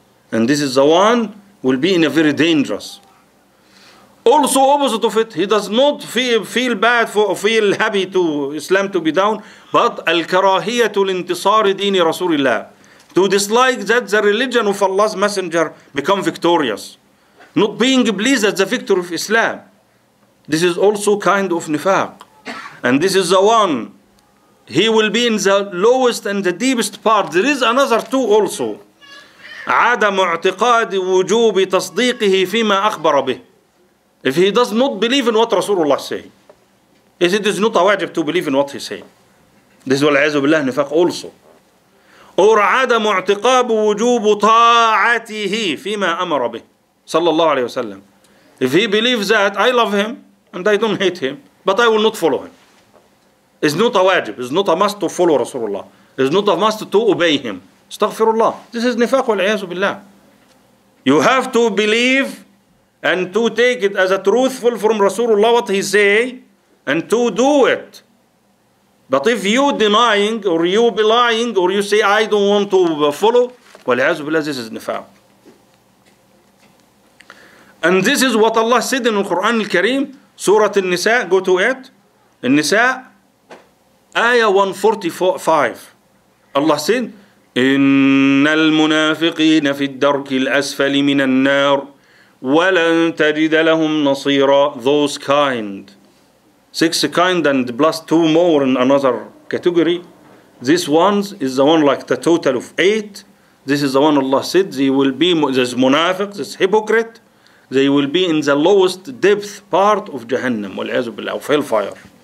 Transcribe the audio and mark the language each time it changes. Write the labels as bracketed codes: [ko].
[en] And this is the one will be in a very dangerous. Also opposite of it, he does not feel bad for feel happy to Islam to be down, but al-karahiyatu lintisari dini Rasulillah, to dislike that the religion of Allah's messenger become victorious, not being pleased at the victory of Islam. This is also kind of nifaq. And this is the one, he will be in the lowest and the deepest part. There is another two also. [ar] عدم اعتقاد وجوب تصديقه فيما أخبر به. [en] If he does not believe in what Rasulullah says, it is not a wajib to believe in what he says. This is what A'azhu Billah nifaq also. [ar] Or عدم اعتقاب وجوب طاعته فيما أمر به صلى الله عليه وسلم. [en] If he believes that, I love him and I don't hate him, but I will not follow him. It's not a wajib, it's not a must to follow Rasulullah. It's not a must to obey him. Astaghfirullah. This is nifaq A'azhu Billah. You have to believe and to take it as a truthful from Rasulullah what he say, and to do it. But if you denying, or you belying, or you say, I don't want to follow, [ar] وَلْعَزُ بِاللَّهِ [en] this is nifaq. And this is what Allah said in the Quran al-Kareem, Surah al-Nisa, go to it. Al-Nisa, Ayah 145. Allah said, [ar] إن المنافقين في الدرك الأسفل من النار ولن تجد لهم نصيرا. [en] Those kind, six kind and plus two more in another category. This ones is the one like the total of eight. This is the one Allah said they will be, this munafiq, this hypocrite, they will be in the lowest depth part of Jahannam, [ar] والعياذ بالله, [en] of hellfire.